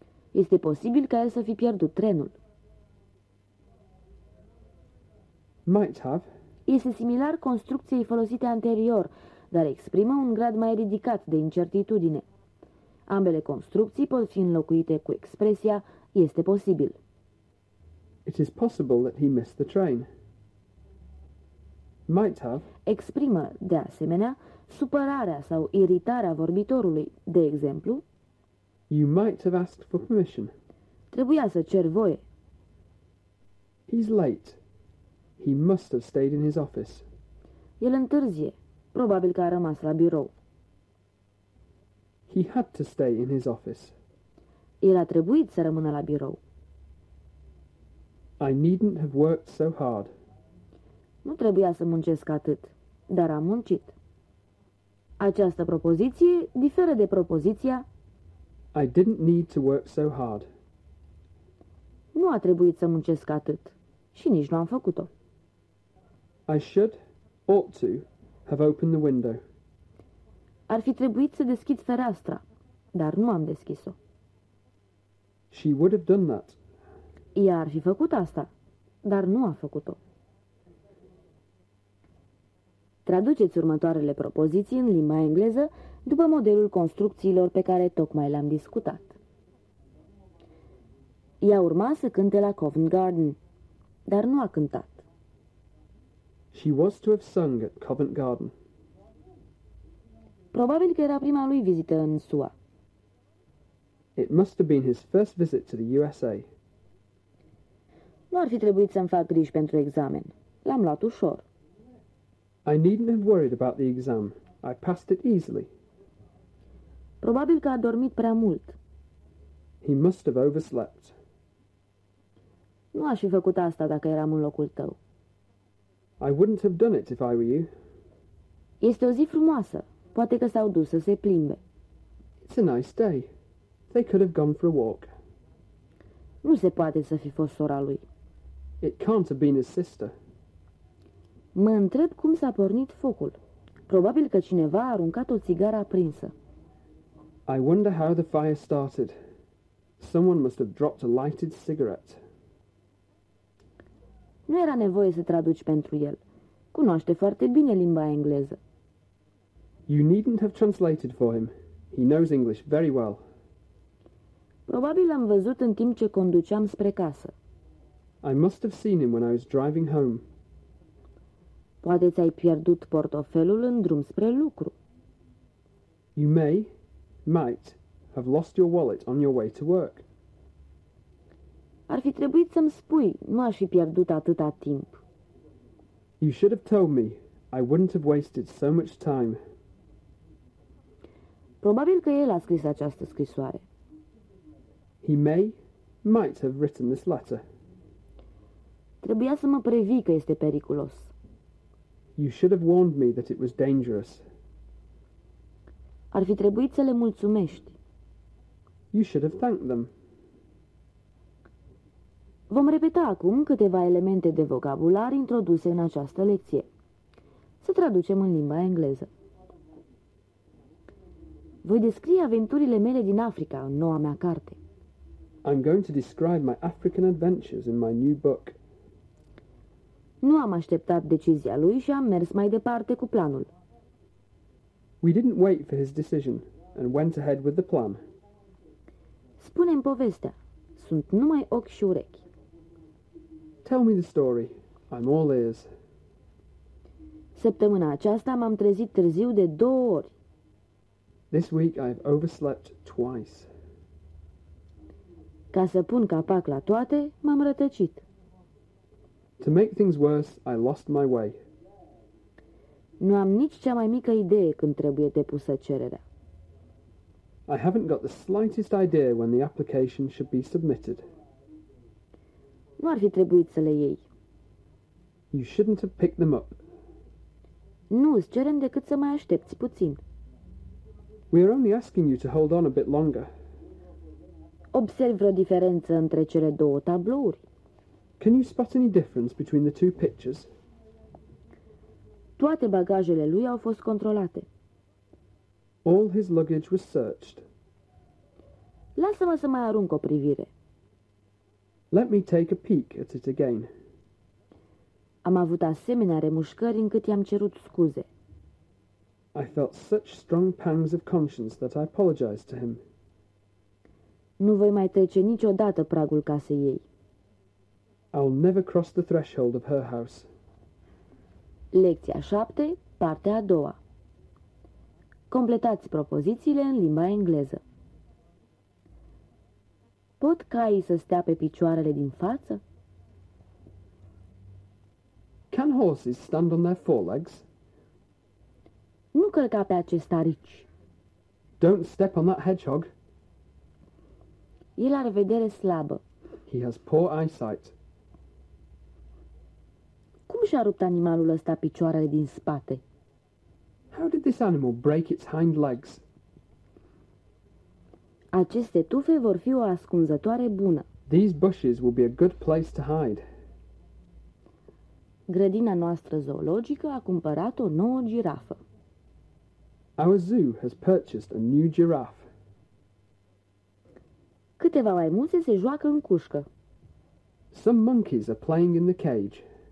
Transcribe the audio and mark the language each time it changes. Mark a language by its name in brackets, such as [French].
[Romanian] Este posibil ca el să fi pierdut trenul. [English] Might have. [Romanian] Este similar construcției folosite anterior, dar exprimă un grad mai ridicat de incertitudine. Ambele construcții pot fi înlocuite cu expresia este posibil. [English] It is possible that he missed the train. Might have. [Romanian] Exprimă, de asemenea, supărarea sau iritarea vorbitorului, de exemplu. [English] You might have asked for permission. [Romanian] Trebuia să cer voie. [English] He's late. He must have stayed in his office. [Romanian] El întârzie. Probabil că a rămas la birou. [English] He had to stay in his office. [Romanian] El a trebuit să rămână la birou. [English] I needn't have worked so hard. [Romanian] Nu trebuia să muncesc atât, dar am muncit. Această propoziție diferă de propoziția [English] I didn't need to work so hard. [Romanian] Nu a trebuit să muncesc atât și nici nu am făcut-o. [English] I should, ought to, have opened the window. [Romanian] Ar fi trebuit să deschid fereastra, dar nu am deschis-o. [English] She would have done that. [Romanian] Ea ar fi făcut asta, dar nu a făcut-o. Traduceți următoarele propoziții în limba engleză după modelul construcțiilor pe care tocmai le-am discutat. Ea urma să cânte la Covent Garden, dar nu a cântat. [English] She was to have sung at Covent Garden. [Romanian] Probabil că era prima lui vizită în SUA. [English] It must have been his first visit to the USA. [Romanian] Nu ar fi trebuit să-mi fac griji pentru examen. L-am luat ușor. [English] I needn't have worried about the exam. I passed it easily. [Romanian] Probabil că a dormit prea mult. [English] He must have overslept. [Romanian] Nu aș fi făcut asta dacă eram în locul tău. [English] I wouldn't have done it if I were you. [Romanian] Este o zi frumoasă. Poate că s-au dus să se plimbe. [English] It's a nice day. They could have gone for a walk. [Romanian] Nu se poate să fi fost sora lui. [English] It can't have been his sister. [Romanian] Mă întreb cum s-a pornit focul. Probabil că cineva a aruncat o țigară aprinsă. [English] I wonder how the fire started. Someone must have dropped a lighted cigarette. [Romanian] Nu era nevoie să traduci pentru el. Cunoaște foarte bine limba engleză. [English] You needn't have translated for him. He knows English very well. [Romanian] Probabil l-am văzut în timp ce conduceam spre casă. [English] I must have seen him when I was driving home. [Romanian] Poate ți-ai pierdut portofelul în drum spre lucru. [English] You may, might, have lost your wallet on your way to work. [Romanian] Ar fi trebuit să-mi spui, nu aș fi pierdut atâta timp. [English] You should have told me, I wouldn't have wasted so much time. [Romanian] Probabil că el a scris această scrisoare. [English] He may, might have written this letter. [Romanian] Trebuia să mă previi că este periculos. [English] You should have warned me that it was dangerous. [Romanian] Ar fi trebuit să le mulțumești. [English] You should have thanked them. [Romanian] Vom repeta acum câteva elemente de vocabular introduse în această lecție. Să traducem în limba engleză. Voi descrie aventurile mele din Africa în noua mea carte. [English] I'm going to describe my African adventures in my new book. [Romanian] Nu am așteptat decizia lui și am mers mai departe cu planul. [English] We didn't wait for his decision and went ahead with the plan. [Romanian] Spune-mi povestea. Sunt numai ochi și urechi. [English] Tell me the story. I'm all ears. [Romanian] Săptămâna aceasta m-am trezit târziu de două ori. [English] This week I've overslept twice. [Romanian] Ca să pun capac la toate, m-am rătăcit. [English] To make things worse, I lost my way. [Romanian] Nu am nici cea mai mică idee când trebuie depusă cererea. [English] I haven't got the slightest idea when the application should be submitted. [Romanian] Nu ar fi trebuit să le iei. [English] You shouldn't have picked them up. [Romanian] Nu, îți cerem decât să mai aștepți puțin. [English] We are only asking you to hold on a bit longer. [Romanian] Observ vreo diferență între cele două tablouri. [English] Can you spot any difference between the two pictures? [Romanian] Toate bagajele lui au fost controlate. [English] All his luggage was searched. [Romanian] Lasă-mă să mai arunc o privire. [English] Let me take a peek at it again. [Romanian] Am avut asemenea remușcări încât i-am cerut scuze. [English] I felt such strong pangs of conscience that I apologized to him. [Romanian] Nu voi mai trece niciodată pragul casei ei. [English] I'll never cross the threshold of her house. [Romanian] Lecția 7, partea a doua. Completați propozițiile în limba engleză. Pot caii să stea pe picioarele din față? [English] Can horses stand on their forelegs? [Romanian] Nu călca pe acest arici. [English] Don't step on that hedgehog. [Romanian] El are vedere slabă. [English] He has poor eyesight. [Romanian] Cum și-a rupt animalul ăsta picioarele din spate? [English] How did this animal break its hind legs? [Romanian] Aceste tufe vor fi o ascunzătoare bună. [English] These bushes will be a good place to hide. [Romanian] Grădina noastră zoologică a cumpărat o nouă girafă. [English] Our zoo has purchased a new giraffe. [Romanian] Câteva maimuțe se joacă în cușcă. [English] Some monkeys are playing in the cage.